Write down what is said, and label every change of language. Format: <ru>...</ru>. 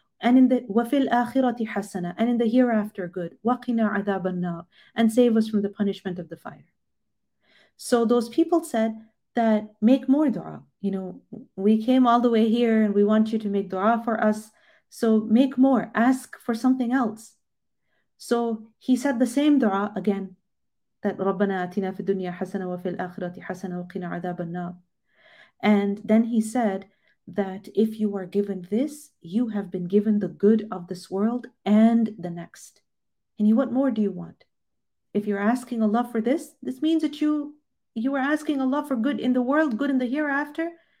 <en>and in the وفي الآخرة حسنة, and in the hereafter good, وقنا عذاب النار, and save us from the punishment of the fire. So those people said that make more dua. You know, we came all the way here and we want you to make dua for us. So make more, ask for something else.</en> <ar>So he said the same dua again, that رَبَّنَا أَتِنَا فِي الدُّنْيَا حَسَنَةً وَفِي الْآخِرَةِ حَسَنَةً وَقِنَا عَذَابَ النَّارِ.</ar> <en>And then he said that if you are given this, you have been given the good of this world and the next. And what more do you want? If you're asking Allah for this, this means that you are asking Allah for good in the world, good in the hereafter.</en>